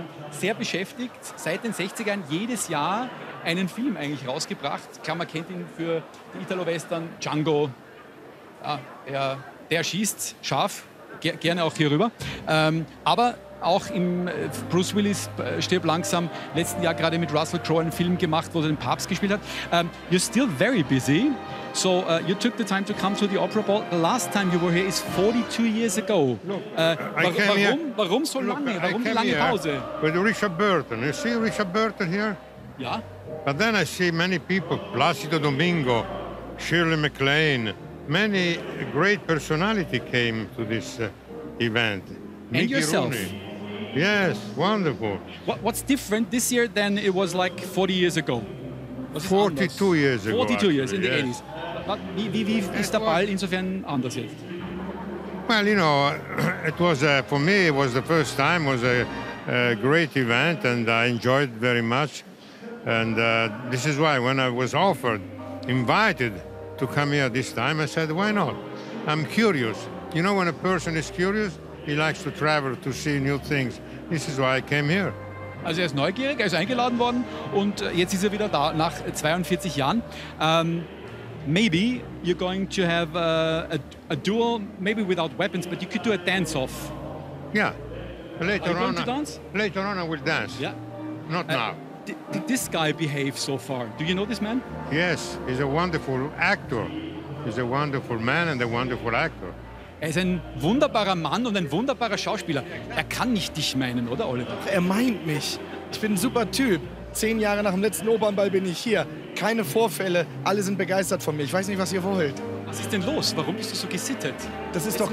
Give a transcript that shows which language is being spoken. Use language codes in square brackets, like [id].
[de] Sehr beschäftigt, seit den 60ern jedes Jahr einen Film eigentlich rausgebracht. Klar, man kennt ihn für die Italo-Western, Django. Ja, der schießt scharf, gerne auch hier rüber. Aber auch im Bruce Willis stirbt langsam, letzten Jahr gerade mit Russell Crowe einen Film gemacht, wo er den Papst gespielt hat. [en] You're still very busy, so you took the time to come to the Opera Ball. The last time you were here is 42 years ago. Look, [de] warum so lange? Warum die lange Pause? [en] With Richard Burton. You see Richard Burton here? [de] Ja. [en] But then I see many people, Placido Domingo, Shirley MacLaine, many great personality came to this event. And yourself. Yes, wonderful. What's different this year than it was like 40 years ago? 42 years ago. 42 years in the 80s. But [de] wie ist der Ball insofern anders jetzt? [en] Well, you know, it was for me, it was the first time, it was a great event, and I enjoyed it very much. And this is why when I was invited to come here this time, I said, why not? I'm curious. You know, when a person is curious, he likes to travel to see new things. This is why I came here. [de] Also er ist neugierig, er ist eingeladen worden und jetzt ist er wieder da nach 42 Jahren. [en] Maybe you're going to have a duel, maybe without weapons, but you could do a dance-off. Yeah. Later Are you on going to dance? Later on I will dance. Yeah. Not now. Did this guy behave so far? Do you know this man? Yes, he's a wonderful actor. He's a wonderful man and a wonderful actor. [de] Er ist ein wunderbarer Mann und ein wunderbarer Schauspieler. Er kann nicht dich meinen, oder Oliver? Er meint mich. Ich bin ein super Typ. 10 Jahre nach dem letzten Opernball bin ich hier. Keine Vorfälle. Alle sind begeistert von mir. Ich weiß nicht, was ihr wollt. Was ist denn los? Warum bist du so gesittet? Das ist doch